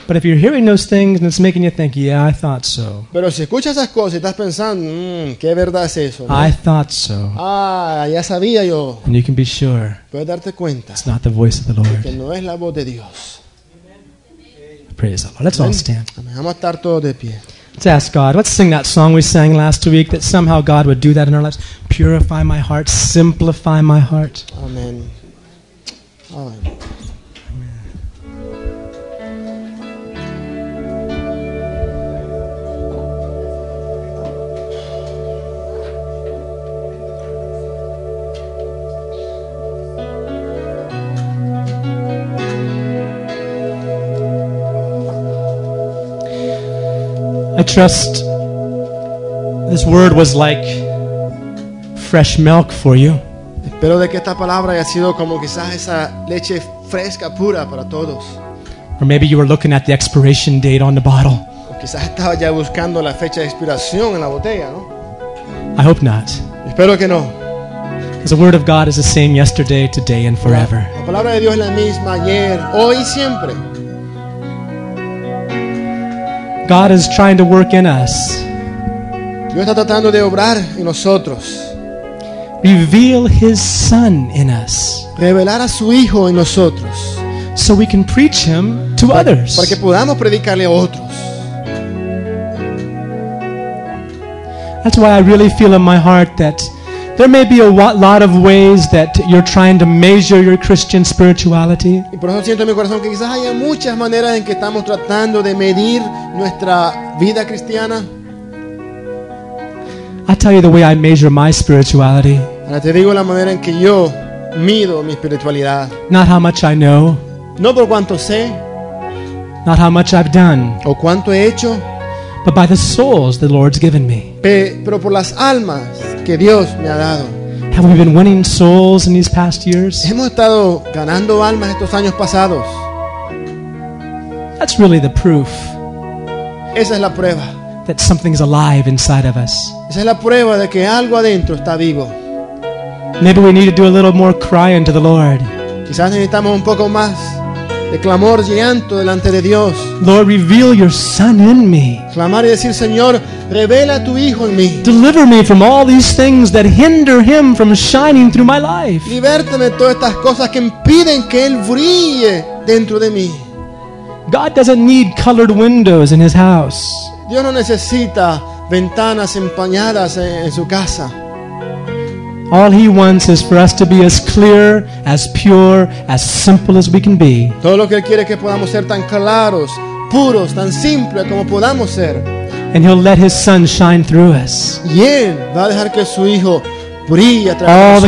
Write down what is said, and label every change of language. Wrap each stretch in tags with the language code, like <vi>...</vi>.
<en>But if you're hearing those things and it's making you think, yeah, I thought so.</en> <es>Pero si escuchas esas cosas y estás pensando, ¿qué verdad es eso?</es> <en>I thought so.</en> <es>Ah, ya sabía yo.</es> <en>And you can be sure.</en> <es>Puedes darte cuenta.</es> <en>It's not the voice of the Lord.</en> <es>Que no es la voz de Dios.</es> <en>Amen. Praise the Lord. Let's all stand.</en> <es>Amen. Vamos a estar todos de pie.</es> <en>Let's ask God. Let's sing that song we sang last week, that somehow God would do that in our lives. Purify my heart. Simplify my heart. Amen. Amen. I trust this word was like fresh milk for you.</en> <es>Espero de que esta palabra haya sido como quizás esa leche fresca pura para todos.</es> <en>Or maybe you were looking at the expiration date on the bottle.</en> <es>O quizás estaba ya buscando la fecha de expiración en la botella, ¿no?</es> <en>I hope not.</en> <es>Espero que no.</es> <en>Because the word of God is the same yesterday, today, and forever.</en> <es>La palabra de Dios es la misma ayer, hoy y siempre.</es> <en>God is trying to work in us.</en> <es>Dios está tratando de obrar en nosotros.</es> <en>Reveal His Son in us.</en> <es>Revelar a su Hijo en nosotros.</es> <en>So we can preach Him to others.</en> <es>Para que podamos predicarle a otros.</es> <en>That's why I really feel in my heart that there may be a lot of ways that you're trying to measure your Christian spirituality.</en> <es>Y por eso siento en mi corazón que quizás haya muchas maneras en que estamos tratando de medir nuestra vida cristiana.</es> <en>I tell you the way I measure my spirituality.</en> <es>Ahora te digo la manera en que yo mido mi espiritualidad.</es> <en>Not how much I know.</en> <es>No por cuánto sé.</es> <en>Not how much I've done.</en> <es>O cuánto he hecho.</es> <en>But by the souls the Lord's given me.</en> <es>Pero por las almas que Dios me ha dado.</es> <en>Have we been winning souls in these past years?</en> <es>Hemos estado ganando almas estos años pasados.</es> <en>That's really the proof.</en> <es>Esa es la prueba.</es> <en>That something's alive inside of us.</en> <es>Esa es la prueba de que algo adentro está vivo.</es> <en>Maybe we need to do a little more crying to the Lord.</en> <es>Quizás necesitamos un poco más de clamor y llanto delante de Dios.</es> <en>Lord, reveal your Son in me.</en> <es>Clamar y decir, Señor, revela tu Hijo en mí.</es> <en>Deliver me from all these things that hinder Him from shining through my life.</en> <es>Libertame de todas estas cosas que impiden que Él brille dentro de mí.</es> <en>God doesn't need colored windows in His house.</en> <es>Dios no necesita ventanas empañadas en su casa.</es> <en>All He wants is for us to be as clear, as pure, as simple as we can be.</en> <es>Todo lo que Él quiere es que podamos ser tan claros, puros, tan simples como podamos ser.</es> <en>And He'll let His Son shine through us.</en> <es>Y Él va a dejar que su Hijo brille a través de</es>